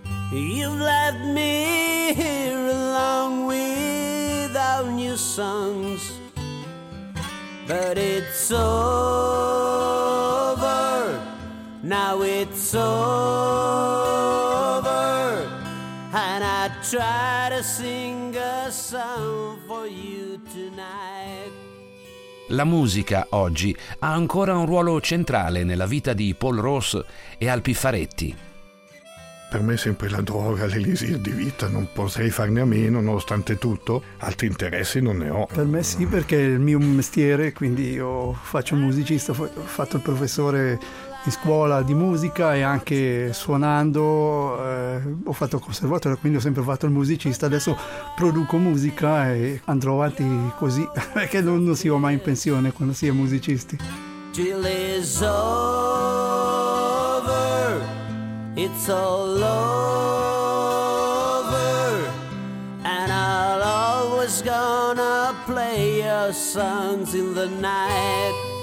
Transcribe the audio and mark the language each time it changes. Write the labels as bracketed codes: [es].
[en] You've left me here along without new songs, but it's over, now it's over, and I try to sing a song for you tonight. [it] La musica oggi ha ancora un ruolo centrale nella vita di Paul Ross e Alpi Faretti. Per me è sempre la droga, l'elisir di vita, non potrei farne a meno, nonostante tutto, altri interessi non ne ho. Per me sì, perché è il mio mestiere, quindi io faccio musicista, ho fatto il professore in scuola di musica e anche suonando, ho fatto conservatorio, quindi ho sempre fatto il musicista, adesso produco musica e andrò avanti così, perché non si va mai in pensione quando si è musicisti. [en] Till it's over, it's all over, and I'll always gonna play your songs in the night.